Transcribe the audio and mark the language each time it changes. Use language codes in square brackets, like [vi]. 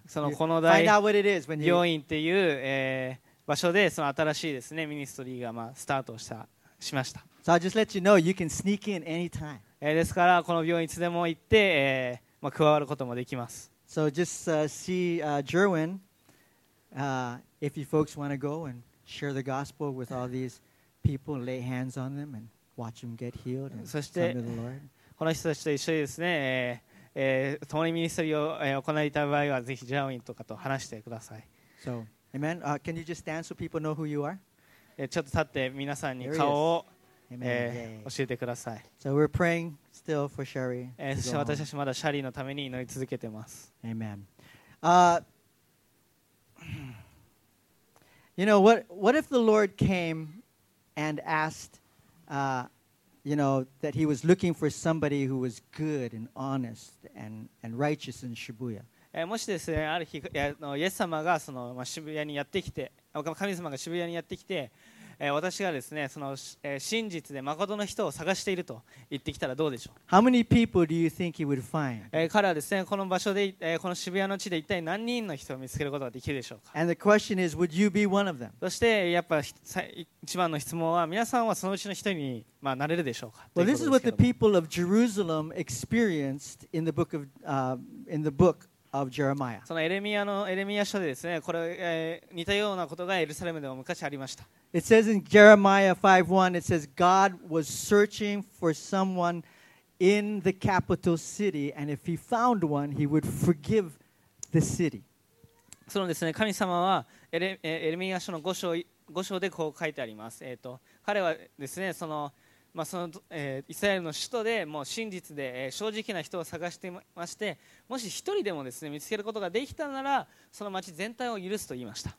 [ja] その Konodai病院っていう、場所でその新しいですねミニストリーが、まあ、スタートしました。 [en] So I'll just let you know you can sneak in anytime. [ja] ですからこの病院いつでも行って、まあ、加わることもできます。 [en] So just see Jerwin if you folks want to go and share the gospel with all these people and lay hands on them and watch them get healed and come to the Lord. [ja] この人たちと一緒にですね、共にミニストリーを、行いたい場合はぜひジャーウィンとかと話してください。 [en] So, amen. Can you just stand so people know who you are? [ja] ちょっと立って皆さんに顔を、教えてください。 [en] So we're praying still for Sherry. [ja] そして私たちまだシャリーのために祈り続けてます。 [en] Amen. You know what if the Lord came and asked, you know, that he was looking for somebody who was good and honest and righteous in Shibuya. [ja] もしですね、ある日、イエス様がその、まあ、渋谷にやってきて、神様が渋谷にやってきて、私がですね、その真実で誠の人を探していると言ってきたらどうでしょう。 [en] How many people do you think he would find? [ja] 彼はですね、この場所で、この渋谷の地で一体何人の人を見つけることができるでしょうか。 [en] And the question is, would you be one of them? [ja] そしてやっぱ一番の質問は、皆さんはそのうちの人に、まあ、なれるでしょうか。 [en] Well, this is what the people of Jerusalem experienced in the book of, in the book. Of Jeremiah. [ja] そのエレミアのエレミア書でですね、これ、似たようなことがエルサレムでも昔ありました。 [en] It says in Jeremiah 5:1, it says God was searching for someone in the capital city, and if he found one, he would forgive the city. [ja] そのですね、神様はエレミア書の5章でこう書いてあります。彼はですね、その、まあ、その、イスラエルの首都でもう真実で、正直な人を探してまして、もし一人でもですね、見つけることができたなら、その町全体を許すと言いました。